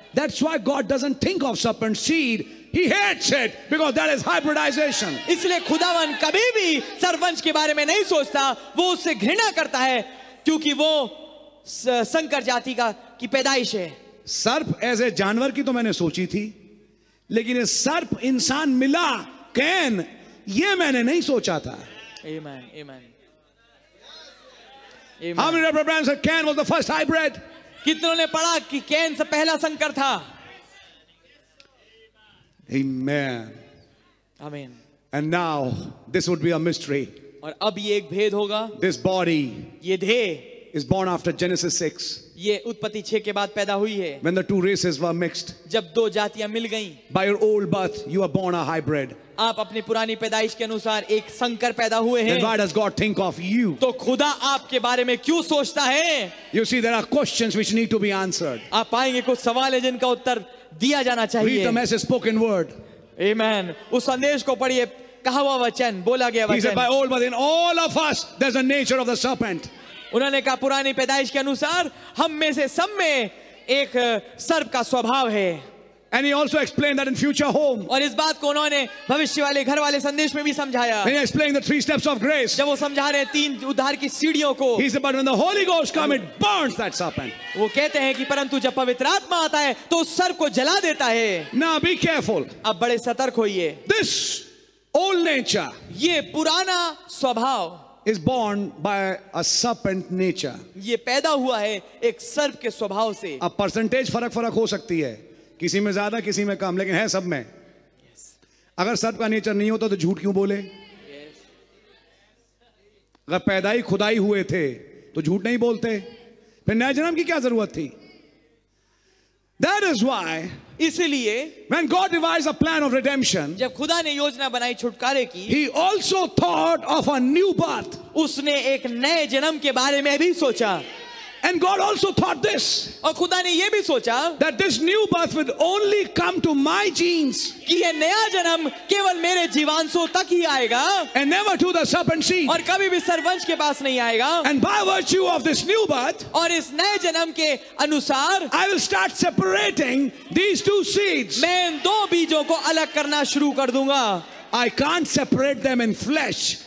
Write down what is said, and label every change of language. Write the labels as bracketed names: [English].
[English] That's why God doesn't think of serpent seed. He hates it because that is hybridization. [Hindi] इसलिए खुदावन कभी भी सर्पवंश के बारे में नहीं सोचता. वो उससे घृणा करता है क्योंकि वो संकर जाति का की पैदाइश है. सर्प [English] as a [Hindi] जानवर की तो मैंने सोची थी, लेकिन ये सर्प इंसान मिला कैन, ये मैंने नहीं सोचा था. [English] Amen, amen. How many Reverend Branham said Cain was the first hybrid? [Hindi] कितनों ने पढ़ा कि कैन से पहला संकर था. [English] Amen. Amen. And now this would be a mystery. [Hindi] और अब ये एक भेद होगा. [English] This body. [Hindi] ये देह. [English] Is born after Genesis 6. [Hindi] ये उत्पत्ति 6 के बाद पैदा हुई है. [English] When the two races were mixed. [Hindi] जब दो जातियां मिल गईं. [English] By your old birth, you are born a hybrid. [Hindi] आप अपनी पुरानी पैदाइश के अनुसार एक संकर पैदा हुए हैं. [English] Then why does God think of you? [Hindi] तो खुदा आपके बारे में क्यों सोचता है? [English] You see, there are questions which need to be answered. [Hindi] आप पाएंगे कुछ सवाल हैं जिनका उत्तर दिया जाना चाहिए. [English] Read the message, spoken word. Amen. [Hindi] उस संदेश को पढ़िए, कहा हुआ वचन, बोला गया वचन. [English] He said, by old birth, in all of us, there's a nature of the serpent. [Hindi] उन्होंने कहा पुरानी पैदाइश के अनुसार हम में से सब में एक सर्प का स्वभाव है. [English] And he also explained that in future home. [Hindi] और इस बात को उन्होंने भविष्य वाले घर वाले संदेश में भी समझाया. [English] He explained the three steps of grace. [Hindi] जब वो समझा रहे तीन उद्धार की सीढ़ियों को. [English] He said, but when the Holy Ghost comes, it burns that serpent. [Hindi] वो कहते हैं कि परंतु जब पवित्र आत्मा आता है तो उस सर्प को जला देता है. [English] Now be careful. [Hindi] अब बड़े सतर्क होइए. [English] This old nature. [Hindi] ये पुराना स्वभाव. [English] is born by a serpent nature. [Hindi] ये पैदा हुआ है एक सर्प के स्वभाव से. अब percentage फरक हो सकती है, किसी में ज्यादा किसी में कम, लेकिन है सब में. अगर सर्प का नेचर नहीं होता तो झूठ क्यों बोले? अगर पैदाई खुदाई हुए थे तो झूठ नहीं बोलते, फिर नए जन्म की क्या जरूरत थी? [English] That is why, [Hindi] इसलिए, [English] when God devised a plan of redemption, [Hindi] जब खुदा ने योजना बनाई छुटकारे की, [English] He also thought of a new birth, [Hindi] उसने एक नए जन्म के बारे में भी सोचा. [English] And God also thought this, [Hindi] और खुदा ने ये भी सोचा, [English] that this new birth would only come to my genes, [Hindi] कि ये नया जन्म केवल मेरे जीवांशों तक ही आएगा, [English] and never to the serpent seed, [Hindi] और कभी भी सर्पवंश के पास नहीं आएगा, [English] and by virtue of this new birth, [Hindi] और इस नए जन्म के अनुसार, [English] I will start separating these two seeds, [Hindi] मैं इन दो बीजों को अलग करना शुरू कर दूंगा. [English] I can't separate them in flesh.